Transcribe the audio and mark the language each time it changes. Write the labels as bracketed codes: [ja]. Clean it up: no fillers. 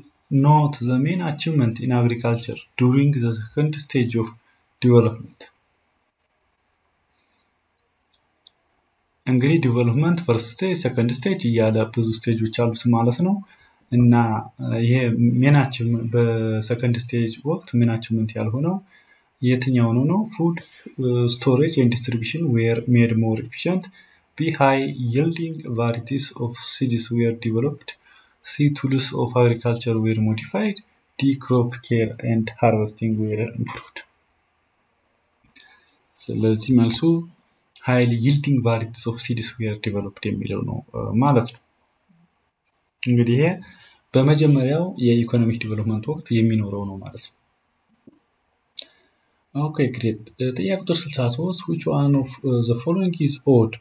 [en] Not the main achievement in agriculture during the second stage of development. [am] እንግዲህ [en] development first stage second stage [am] ያለ ብዙ ስቴጆች አሉት ማለት ነው እና ይሄ [en] main achievement [am] በsecond stage ወቅት main achievement ያልሆነው የትኛው ነው? [en] food storage and distribution were made more efficient. B. high yielding varieties of seeds were developed. C. tools of agriculture were modified. D. crop care and harvesting were improved. [am] ስለዚህ ማለት [en] high yielding varieties of seeds were developed [am] የሚለው ነው ማለት ነው። እንግዲህ በመጀመሪያው የኢኮኖሚክ ዴቨሎፕመንት ወቅት የሚኖረው ነው ማለት ነው። [en] ኦኬ ግሬት። [am] ጥያቄ ቁጥር 63 [en] which one of the following is odd?